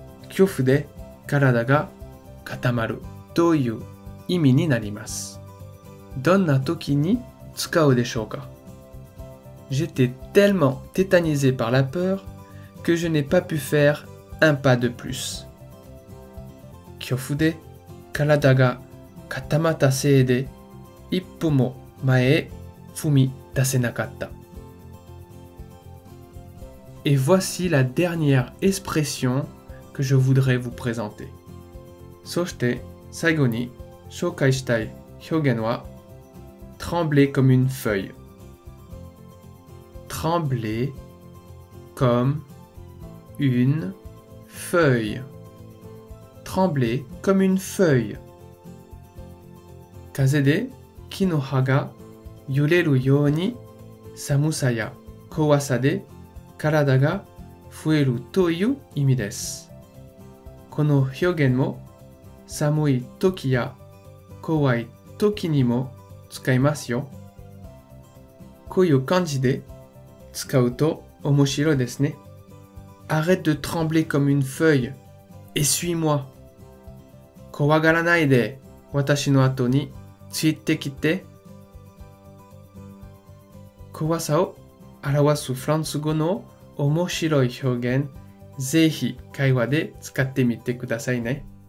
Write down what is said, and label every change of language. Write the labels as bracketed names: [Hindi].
[Japanese] Kyofu de karada ga katamaru という意味になります。どんな時に使うでしょうか? [French] J'étais tellement tétanisé par la peur que je n'ai pas pu faire un pas de plus. [Japanese] 恐怖で体が固まったせいで一歩も前へ踏み出せなかった。 [French] Et voici la dernière expression que je voudrais vous présenter. [Japanese] そして最後に紹介したい表現は [French] trembler comme une feuille. Trembler comme une feuille. Trembler comme une feuille. [Japanese] 風で木の葉が揺れるように寒さや怖さで体が震えるという意味です。この表現も寒い時や怖い時にも使いますよ。こういう感じで使うと面白いですね。 [French] Arrête de trembler comme une feuille. Essuie-moi. [Japanese] 怖がらないで私の後についてきて。怖さを表すフランス語の面白い表現、ぜひ会話で使ってみてくださいね。